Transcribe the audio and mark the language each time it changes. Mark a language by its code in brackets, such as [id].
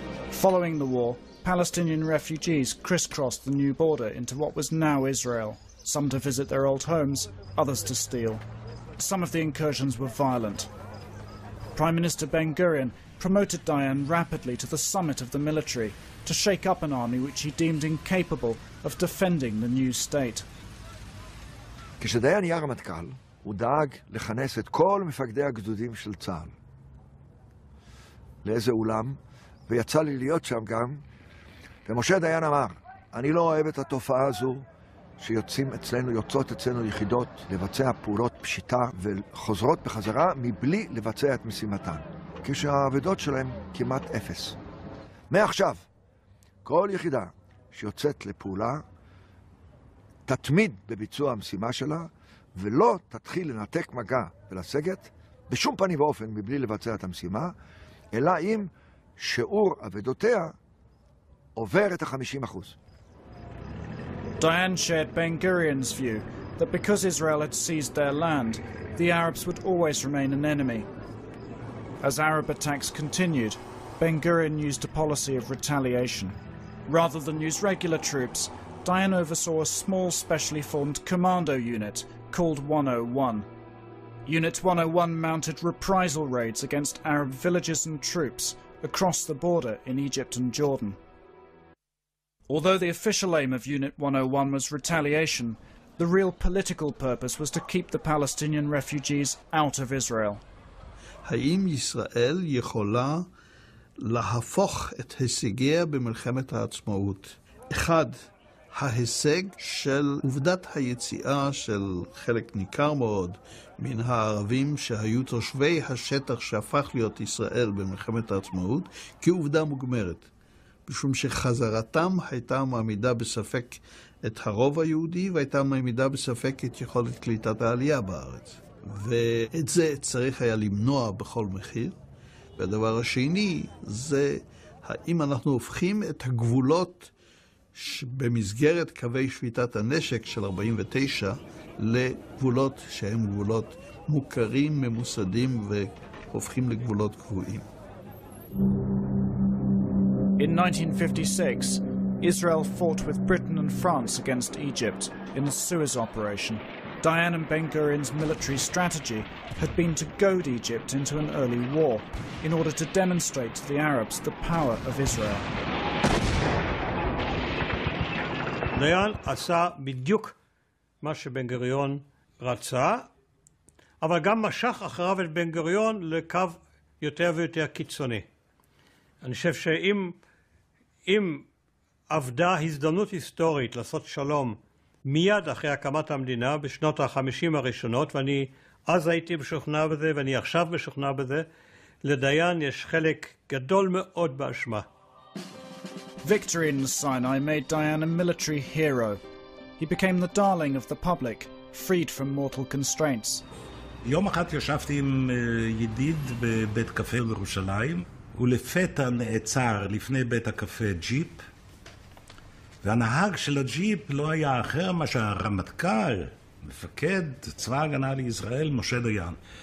[en] Following the war, Palestinian refugees crisscrossed the new border into what was now Israel, some to visit their old homes, others to steal. Some of the incursions were violent. Prime Minister Ben-Gurion promoted Dayan rapidly to the summit of the military to shake up an army which he deemed incapable of defending the new state. [he] כשדיין היה רמטכ"ל, הוא דאג לכנס את כל מפקדי הגדודים של צה"ל לאיזה אולם, ויצא לי להיות שם גם. ומשה דיין אמר, אני לא אוהב את התופעה הזו שיוצאות אצלנו יחידות לבצע פעולות פשיטה וחוזרות בחזרה מבלי לבצע את משימתן, כשהעבדות שלהם כמעט אפס. מעכשיו, כל יחידה שיוצאת לפעולה תתמיד בביצוע המשימה שלה ולא תתחיל לנתק מגע ולסגת בשום פנים ואופן מבלי לבצע את המשימה, אלא אם שיעור עבדותיה עובר את ה-50%. [en] Dayan shared Ben-Gurion's view that because Israel had seized their land, the Arabs would always remain an enemy. As Arab attacks continued, Ben-Gurion used a policy of retaliation. Rather than use regular troops, Dayan oversaw a small specially formed commando unit called 101. Unit 101 mounted reprisal raids against Arab villages and troops across the border in Egypt and Jordan. Although the official aim of Unit 101 was retaliation, the real political purpose was to keep the Palestinian refugees out of Israel. [he] האם ישראל יכולה להפוך את הישגיה במלחמת העצמאות? אחד, ההישג של עובדת היציאה של חלק ניכר מאוד מן הערבים שהיו תושבי השטח שהפך להיות ישראל במלחמת העצמאות, כעובדה מוגמרת. משום שחזרתם הייתה מעמידה בספק את הרוב היהודי והייתה מעמידה בספק את יכולת קליטת העלייה בארץ. ואת זה צריך היה למנוע בכל מחיר. והדבר השני זה האם אנחנו הופכים את הגבולות במסגרת קווי שביתת הנשק של 49 לגבולות שהם גבולות מוכרים, ממוסדים והופכים לגבולות קבועים. [en] In 1956, Israel fought with Britain and France against Egypt in the Suez Operation. Dayan and Ben-Gurion's military strategy had been to goad Egypt into an early war in order to demonstrate to the Arabs the power of Israel. [he] Dayan עשה בדיוק מה שבן-גוריון רצה, אבל גם משך אחריו את בן-גוריון לקו יותר ויותר קיצוני. אני חושב שאם עבדה הזדמנות היסטורית לעשות שלום מיד אחרי הקמת המדינה בשנות ה-50 הראשונות, ואני אז הייתי משוכנע בזה ואני עכשיו משוכנע בזה, לדיין יש חלק גדול מאוד באשמה. [en] Victory in Sinai made Dayan a military hero. He became the darling of the public, freed from mortal constraints. [he] יום אחד ישבתי עם ידיד בבית קפה בירושלים, ולפתע נעצר לפני בית הקפה ג'יפ, והנהג של הג'יפ לא היה אחר מאשר הרמטכ"ל, מפקד צבא הגנה לישראל, משה דיין.